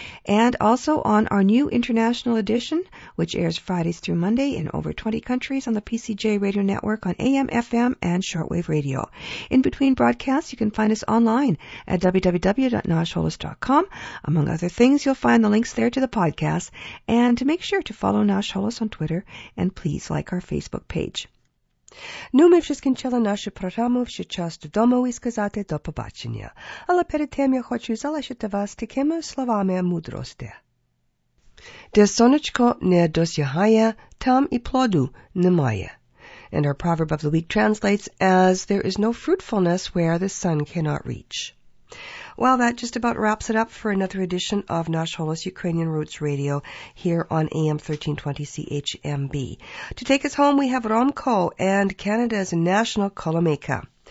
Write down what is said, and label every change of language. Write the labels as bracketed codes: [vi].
[en] And also on our new international edition, which airs Fridays through Monday in over 20 countries on the PCJ Radio Network on AM, FM, and shortwave radio. In between broadcasts, you can find us online at www.nashholos.com. Among other things, you'll find the links there to the podcast, and to make sure to follow Nash Holos on Twitter, and please like our Facebook page. [uk] Ну, ми вже скінчили нашу програму, вже час додому і сказати до побачення. Але перед тим я хочу залишити вас такими словами мудрості. Де сонечко не досягає, там і плоду немає. [en] And our proverb of the week translates as, there is no fruitfulness where the sun cannot reach. Well, that just about wraps it up for another edition of Nash Holos Ukrainian Roots Radio here on AM 1320 CHMB. To take us home, we have Romko and Canada's National Kolomeka.